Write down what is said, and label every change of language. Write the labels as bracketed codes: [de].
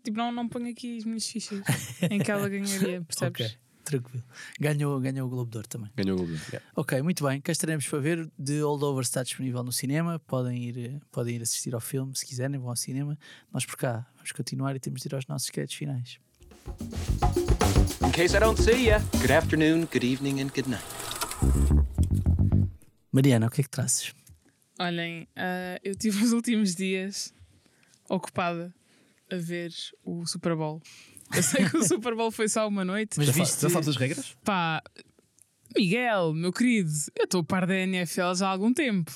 [pt] Tipo, não ponho aqui as minhas fichas em que ela ganharia, percebes? Okay. Tranquilo. Ganhou o Globo de Ouro também. Ganhou o Globo de Ouro. Yeah. Ok, muito bem. Cá estaremos para ver. The Holdovers está disponível no cinema. Podem ir assistir ao filme se quiserem. Vão ao cinema. Nós por cá vamos continuar e temos de ir aos nossos créditos finais. [en] In case I don't see ya, good afternoon, good evening and good night. [pt] Mariana, o que é que trazes? Olhem, eu tive os últimos dias ocupada a ver o Super Bowl. Eu sei que o Super Bowl foi só uma noite. Mas viste? Já sabes as regras? Pá, Miguel, meu querido, eu estou a par da NFL já há algum tempo.